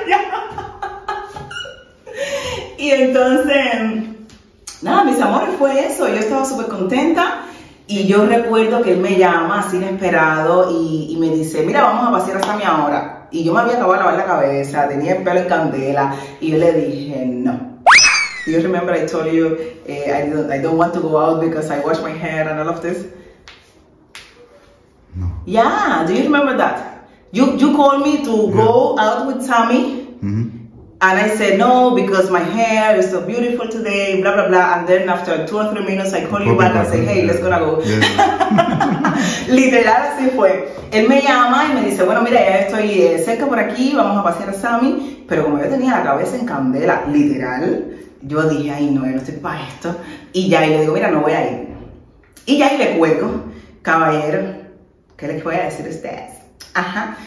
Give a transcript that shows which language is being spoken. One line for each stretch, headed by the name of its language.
Spanish: Yeah. Y entonces... Nada, mis amores, fue eso. Yo estaba súper contenta y yo recuerdo que él me llama así inesperado y me dice, mira, vamos a pasear hasta mi hora. Y yo me había acabado de lavar la cabeza, tenía el pelo en candela y yo le dije, no.
English: You remember I told you I don't want to go out because I wash my hair and all of this? No. Yeah, do you remember that? You called me to go out with Tammy. Mm-hmm. And I said, no, because my hair is so beautiful today, blah, blah, blah. And then after 2 or 3 minutes, I call you back and say, hey, let's gonna go. Yeah.
Spanish: Literal, así fue. Él me llama y me dice, bueno, mira, ya estoy cerca por aquí, vamos a pasear a Sammy. Pero como yo tenía la cabeza en candela, literal, yo dije, ay, no, yo no estoy para esto. Y ya, y le digo, mira, no voy a ir. Y ya, y le cuelgo, caballero, ¿qué les voy a decir a ustedes? Ajá.